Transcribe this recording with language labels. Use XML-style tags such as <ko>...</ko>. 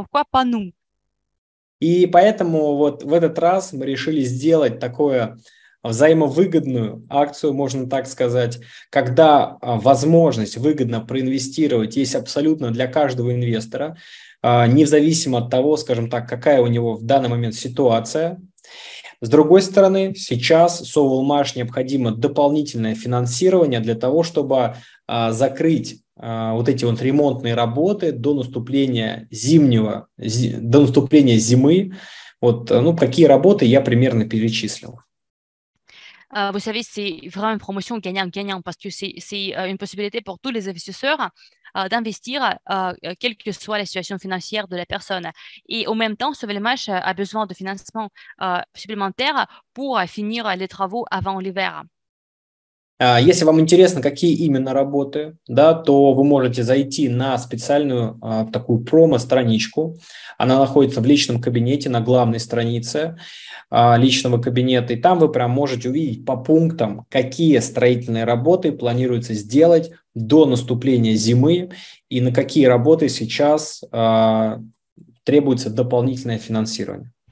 <fr>Pourquoi pas nous?</fr> <ru>И поэтому вот в этот раз мы решили сделать такое взаимовыгодную акцию, можно так сказать, когда возможность выгодно проинвестировать есть абсолютно для каждого инвестора, независимо от того, скажем так, какая у него в данный момент ситуация. С другой стороны, сейчас Sovelmash необходимо дополнительное финансирование для того, чтобы закрыть вот эти вот ремонтные работы до наступления зимы. Вот, ну, какие работы я примерно перечислил.</ru> <fr>Vous savez, c'est vraiment une promotion gagnant-gagnant parce que c'est une possibilité pour tous les investisseurs d'investir, quelle que soit la situation financière de la personne. Et en même temps, Sovelmash a besoin de financement supplémentaire pour finir les travaux avant l'hiver.</fr> <ru>Если вам интересно, какие именно работы, да, то вы можете зайти на специальную такую промо-страничку. Она находится в личном кабинете на главной странице личного кабинета. И там вы прям можете увидеть по пунктам, какие строительные работы планируется сделать до наступления зимы и на какие работы сейчас требуется дополнительное финансирование.</ru>